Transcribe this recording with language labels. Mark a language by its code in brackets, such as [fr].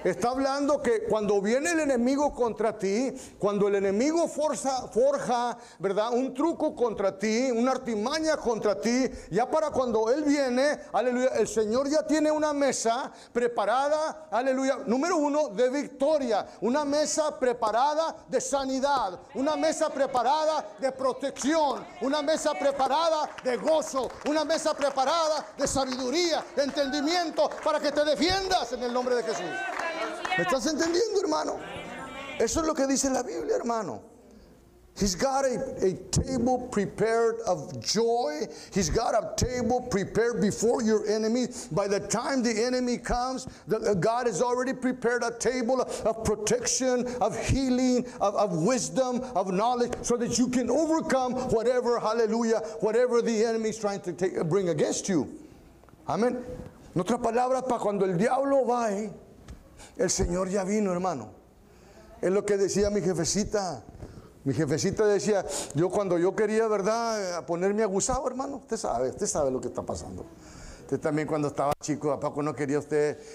[es] Está hablando que cuando viene el enemigo contra ti, cuando el enemigo forja, ¿verdad?, un truco contra ti, una artimaña contra ti, ya para cuando él viene, aleluya, el Señor ya tiene una mesa preparada, aleluya, número uno, de victoria, una mesa preparada de sanidad, una mesa preparada de protección, una mesa preparada de gozo, una mesa preparada de sabiduría, de entendimiento, para que te defiendas en el nombre de Jesús. ¿Me estás entendiendo, hermano? Eso es lo que dice la Biblia, hermano. [en] He's got a table prepared of joy. He's got a table prepared before your enemy. By the time the enemy comes, God has already prepared a table of protection, of healing, of wisdom, of knowledge, so that you can overcome whatever, hallelujah, whatever the enemy is trying to bring against you. Amen. [es] En otras palabras, para cuando el diablo va, el Señor ya vino, hermano. Es lo que decía mi jefecita. Mi jefecita decía, yo cuando yo quería, ¿verdad?, ponerme aguzado, hermano, usted sabe lo que está pasando. Usted también cuando estaba chico, ¿a poco no quería usted?